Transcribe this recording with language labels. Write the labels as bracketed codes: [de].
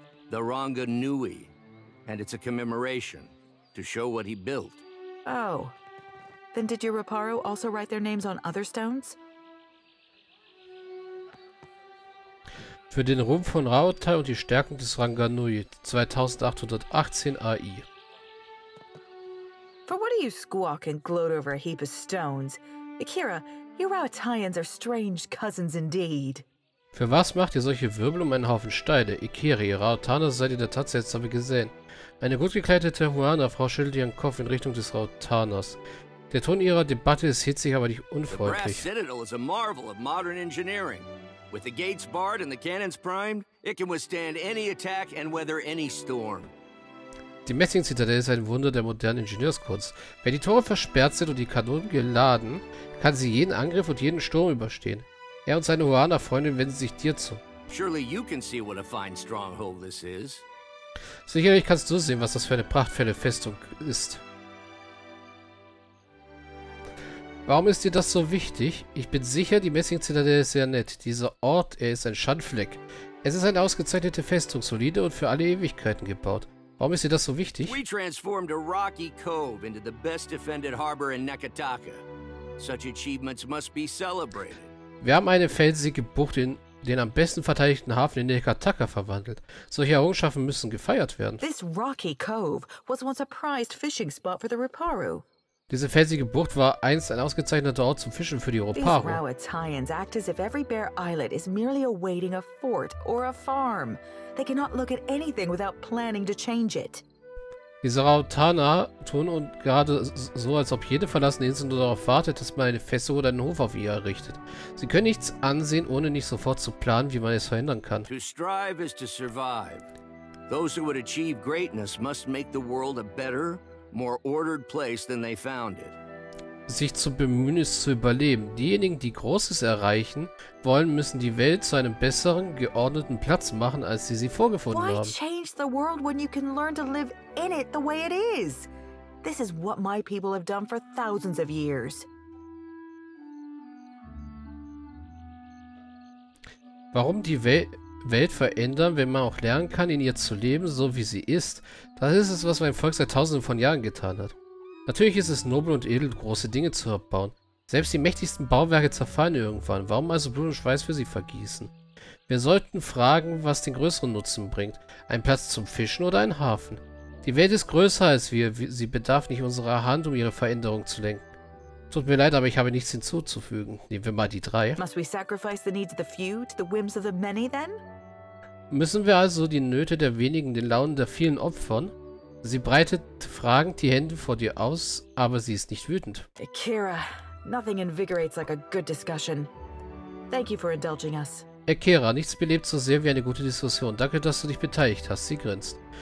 [en] The Ranga Nui, and it's a commemoration to show what he built. Oh, then did your Raparo also write their names on other stones? [de] Für den Rumpf von Rautai und die Stärken des Ranga Nui, 2818 AI. [en] For what do you squawk and gloat over a heap of stones? Akira, you Rautaians are strange cousins indeed. [de] Für was macht ihr solche Wirbel um einen Haufen Steine? Ikiri, Rautaner, seid ihr der Tat seltsam gesehen. Eine gut gekleidete Huana-Frau schüttelt ihren Kopf in Richtung des Rautaners. Der Ton ihrer Debatte ist hitzig, aber nicht unfreundlich. [en] The Citadel is a marvel of modern engineering. With the gates barred and the cannons primed, it can withstand any attack and weather any storm. [de] Die Messing-Zitadelle ist ein Wunder der modernen Ingenieurskunst. Wenn die Tore versperrt sind und die Kanonen geladen, kann sie jeden Angriff und jeden Sturm überstehen. Er und seine Huana-Freundin wenden sich dir zu. [en] Surely you can see what a fine stronghold this is. [de] Sicherlich kannst du sehen, was das für eine prachtvolle Festung ist. Warum ist dir das so wichtig? Ich bin sicher, die Messing-Zitadelle ist sehr nett. Dieser Ort, er ist ein Schandfleck. Es ist eine ausgezeichnete Festung, solide und für alle Ewigkeiten gebaut. Warum ist dir das so wichtig? [en] We transformed a rocky cove into the best defended harbor in Nakataka. Such achievements must be celebrated. [de] Wir haben eine felsige Bucht in den am besten verteidigten Hafen in Nekataka verwandelt. Solche Errungenschaften müssen gefeiert werden. [en] This rocky cove was once a prized fishing spot for the Raparu. [de] Diese felsige Bucht war einst ein ausgezeichneter Ort zum Fischen für die Raparu. [en] These Rautaians act as if every bare islet is merely awaiting a fort or a farm. They cannot look at anything without planning to change it. [de] Diese Rautaner tun und gerade so, als ob jede verlassene Insel nur darauf wartet, dass man eine Festung oder einen Hof auf ihr errichtet. Sie können nichts ansehen, ohne nicht sofort zu planen, wie man es verhindern kann. [en] To strive is to survive. Those who would achieve greatness must make the world a better, more ordered place than they found it. [de] Sich zu bemühen ist zu überleben. Diejenigen, die Großes erreichen wollen, müssen die Welt zu einem besseren, geordneten Platz machen, als sie sie vorgefunden haben. [en] Why change the world when you can learn to live in it the way it is? This is what my people have done for thousands of years. [de] Warum die Welt verändern, wenn man auch lernen kann, in ihr zu leben, so wie sie ist? Das ist es, was mein Volk seit tausenden von Jahren getan hat. Natürlich ist es nobel und edel, große Dinge zu erbauen. Selbst die mächtigsten Bauwerke zerfallen irgendwann. Warum also Blut und Schweiß für sie vergießen? Wir sollten fragen, was den größeren Nutzen bringt. Ein Platz zum Fischen oder ein Hafen? Die Welt ist größer als wir. Sie bedarf nicht unserer Hand, um ihre Veränderung zu lenken. Tut mir leid, aber ich habe nichts hinzuzufügen. Nehmen wir mal die drei. [en] Must we sacrifice the needs of the few to the whims of the many, then? [de] Müssen wir also die Nöte der wenigen den Launen der vielen opfern? Sie breitet fragend die Hände vor dir aus, aber sie ist nicht wütend. [en] Akira, nothing invigorates like a good discussion. Thank you for indulging us. [de] Akira, nichts belebt so sehr wie eine gute Diskussion. Danke, dass du dich beteiligt hast. Sie grinst.